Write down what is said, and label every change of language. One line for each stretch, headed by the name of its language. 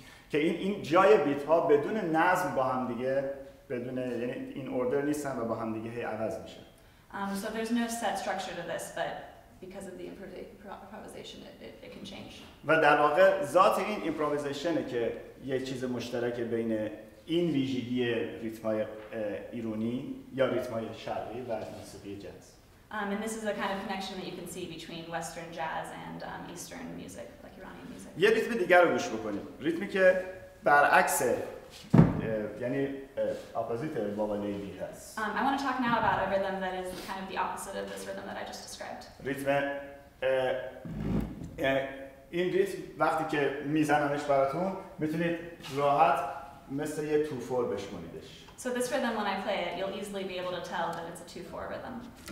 Persian: که این جای بیت ها بدون نظم با هم دیگه بدون یعنی
English: این اوردر
Persian: نیستن و با هم دیگه هی عوض میشن.
English: So there's no set structure to this, but because of the improvisation, it can change.
Persian: و در واقع ذات این ایمپروویزیشنه که یه چیز مشترک بین این ویژگی ریتم‌های ایرانی یا ریتم‌های شرقی و موسیقی جاز.
English: And this is a kind of connection that you can see between Western jazz and Eastern music, like Iranian music.
Persian: یه ریتم دیگر رو گوش بکنیم. ریتمی که برعکس یعنی اپوزیت بابا لیلی هست.
English: I want to talk now about a rhythm that is kind of the opposite of this rhythm that I just described.
Persian: ریتم این ریتم وقتی که میزننش براتون میتونید راحت مثل یه 2/4 بشمونیدش.
English: So this rhythm when I play it, you'll easily be able to tell that it's a 2/4 rhythm.